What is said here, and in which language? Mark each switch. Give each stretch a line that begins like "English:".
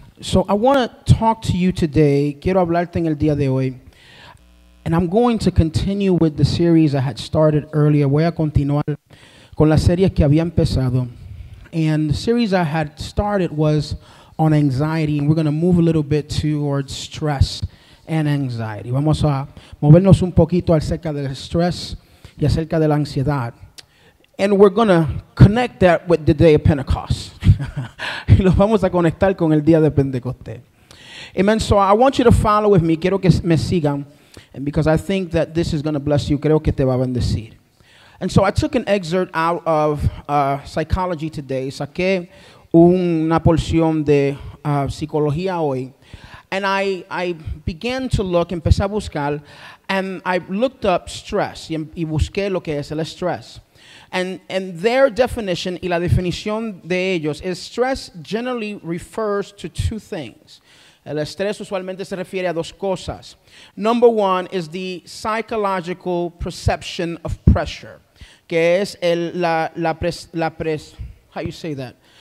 English: So I want to talk to you today.
Spanish: Quiero hablarte en el día de hoy.
English: And I'm going to continue with the series I had started earlier.
Spanish: Voy a continuar con la serie que había empezado.
English: And the series I had started was on anxiety. And we're going to move a little bit towards stress and anxiety.
Spanish: Vamos a movernos un poquito acerca del stress y acerca de la ansiedad.
English: And we're going to connect that with the day of Pentecost.
Spanish: Y lo vamos a conectar con el día de Pentecostés.
English: Amen. So I want you to follow with me.
Spanish: Quiero que me sigan.
English: And because I think that this is going to bless you.
Spanish: Creo que te va a bendecir.
English: And so I took an excerpt out of psychology today.
Spanish: Saqué una porción de psicología hoy.
English: And I began to look,
Spanish: empecé a buscar.
English: And I looked up stress.
Spanish: Y busqué lo que es el estrés.
English: And their definition,
Spanish: y la definición de ellos,
English: is stress generally refers to two things.
Spanish: El estrés usualmente se refiere a dos cosas.
English: Number one is the psychological perception of pressure,
Spanish: que es el,
English: how you say that?